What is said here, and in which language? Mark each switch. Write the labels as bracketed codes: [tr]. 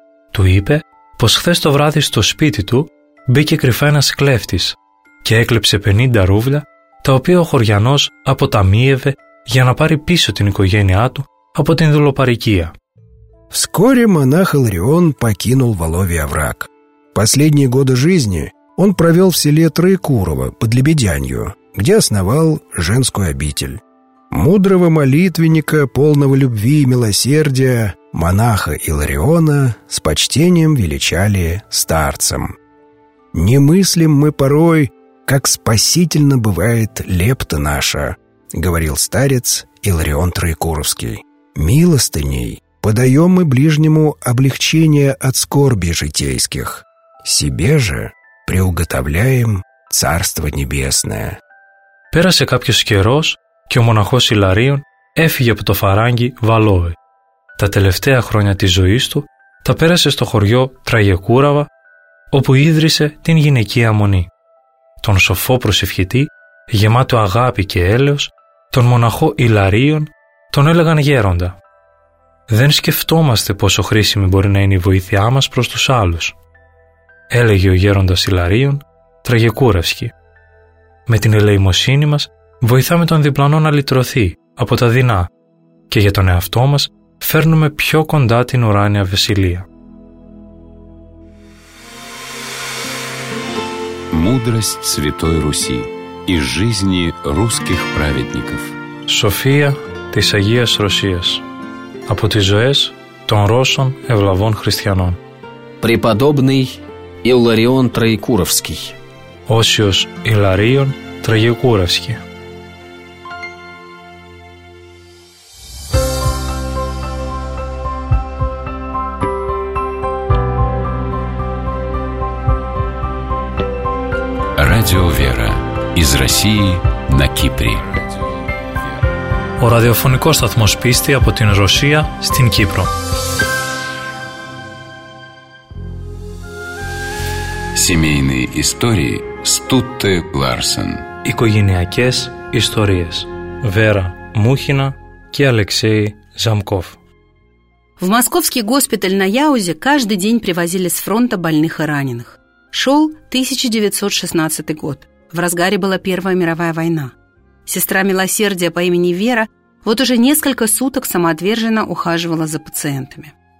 [el] Του είπε πως χθες το βράδυ στο σπίτι του μπήκε κρυφά ένας κλέφτης και έκλεψε 50 ρούβλια, τα οποία ο χωριανός αποταμίευε για να πάρει πίσω την οικογένειά του από την δουλοπαρικία. [ru] Вскоре монах Илларион покинул Воловий овраг. Последние годы жизни он провел в селе Троекурово под Лебедянью, где основал женскую обитель. Мудрого молитвенника, полного любви и милосердия, монаха Иллариона с почтением величали старцем. «Не мыслим мы порой, как спасительно бывает лепта наша», говорил старец Илларион Троекуровский. «Милостыней подаем мы ближнему облегчение от скорби житейских, себе же приуготовляем Царство Небесное». [el] Πέρασε κάποιος καιρός και ο μοναχός Ιλαρίων έφυγε από το φαράγγι Βαλόε. Τα τελευταία χρόνια της ζωής του τα πέρασε στο χωριό Τραγιακούραβα, όπου ίδρυσε την γυναικεία μονή. Τον σοφό προσευχητή, γεμάτο αγάπη και έλεος, τον μοναχό Ιλαρίων τον έλεγαν γέροντα. «Δεν σκεφτόμαστε πόσο χρήσιμη μπορεί να είναι η βοήθειά μας προς τους άλλους», έλεγε ο γέροντας Ιλαρίων, Τραγιακούραυσκι. «Με την ελεημοσύνη μας βοηθάμε τον διπλανό να λυτρωθεί από τα δεινά και για τον εαυτό μας φέρνουμε πιο κοντά την ουράνια βασιλεία». [ru] Мудрость Святой Руси и жизни русских праведников. [el] Σοφία της Αγίας Ρωσίας. Από τις ζωές των Ρώσων ευλαβών χριστιανών. [ru] Преподобный Илларион Троекуровский. [el] Όσιος Ιλαρίων Τραγιακούραυσκι. [ru] Радио Вера. Из России на Кипре. [el] Ο ραδιοφωνικός σταθμός πίστη από την Ρωσία στην Κύπρο. [ru] Семейные истории Стутте Ларсен. [el] Οικογενειακές ιστορίες. Βέρα Μούχινα και Αλεξέη Ζαμκόφ. [ru] В московский госпиталь на Яузе каждый день привозили с фронта больных и раненых. Шел 1916 год. В разгаре была Первая мировая война. Сестра милосердия по имени Вера вот уже несколько суток самоотверженно ухаживала за пациентами.